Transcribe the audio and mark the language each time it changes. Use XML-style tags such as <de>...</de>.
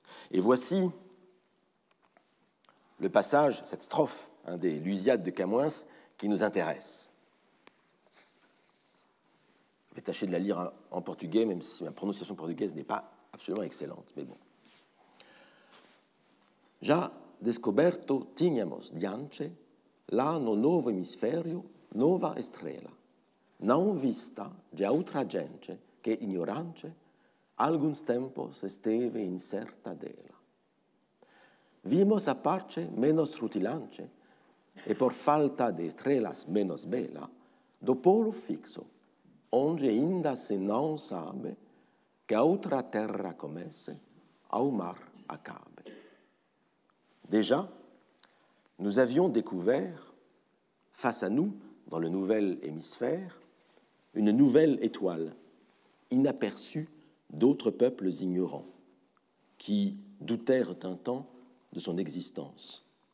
<fr>Et voici le passage, cette strophe des Lusiades de Camoens qui nous intéresse. Je vais tâcher de la lire en portugais, même si ma prononciation portugaise n'est pas absolument excellente, mais bon.</fr> <pt>Já descoberto tínhamos diante lá no novo hemisfério nova estrela, não vista de outra gente que ignorante alguns tempos esteve incerta dela. Vimos a parte menos rutilante e por falta de estrelas menos bela do polo fixo onde ainda se não sabe que a outra terra comece ao mar acabe.</pt> <fr>Déjà, nous avions découvert, face à nous, dans le nouvel hémisphère, une nouvelle étoile, inaperçue d'autres peuples ignorants, qui doutèrent un temps de son existence.</fr>